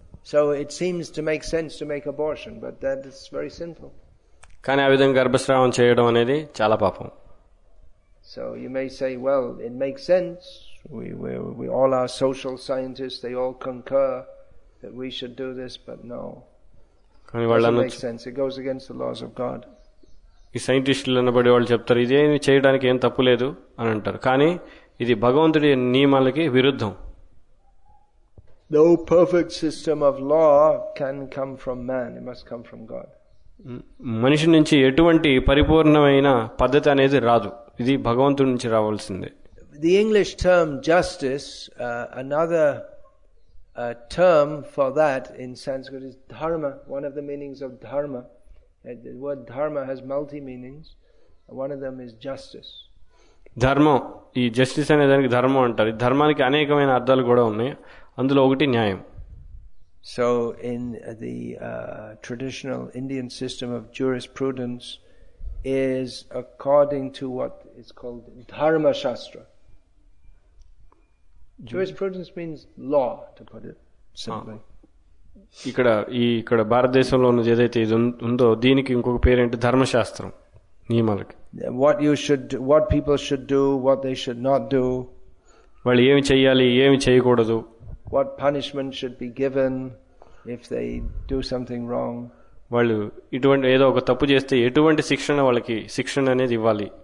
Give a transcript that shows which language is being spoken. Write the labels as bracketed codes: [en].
[en] So it seems to make sense to make abortion, but that is very sinful. [te] కాని ఆ విధంగా గర్భస్రావం చేయడం అనేది చాలా పాపం. [en] So you may say, well, it makes sense. We all our social scientists, they all concur that we should do this, but no. [te] కాని వాళ్ళన్న [en] makes sense. It goes against the laws of God. [te] ఈ సైంటిస్టులు అనబడి వాళ్ళు చెప్తారు ఇదే చేయడానికి ఏం తప్పు లేదు అని అంటారు, కానీ ఇది భగవంతుడి నియమాలకి విరుద్ధం. [en] No perfect system of law can come from man, it must come from God. [te] మనిషి నుంచి ఎటువంటి పరిపూర్ణమైన పద్ధతి అనేది రాదు, ఇది భగవంతుడి నుంచి రావాల్సిందే. [en] The English term justice, another term for that in Sanskrit is dharma. One of the meanings of dharma, the word dharma has multi meanings, one of them is justice. [te] ధర్మం, ఈ జస్టిస్ అనే దానికి ధర్మం అంటారు. ఈ ధర్మానికి అనేకమైన అర్థాలు కూడా ఉన్నాయి, అందులో ఒకటి న్యాయం. [en] So in the traditional Indian system of jurisprudence is according to what is called Dharma Shastra. Jurisprudence means law to put it simply. [te] ఇక్కడ ఈ ఇక్కడ భారతదేశంలో ఉన్నది ఏదైతే ఇది ఉందో దీనికి ఇంకొక పేరు ఏంటి, ధర్మశాస్త్రం. నియమాలకి [en] what you should do, what people should do, what they should not do, [te] వాళ్ళు ఏమి చేయాలి ఏమి చేయకూడదు, [en] what punishment should be given if they do something wrong, [te] వాళ్ళు ఇటువంటి ఏదో ఒక తప్పు చేస్తే ఎటువంటి శిక్షణ వాళ్ళకి శిక్షణ అనేది ఇవ్వాలి,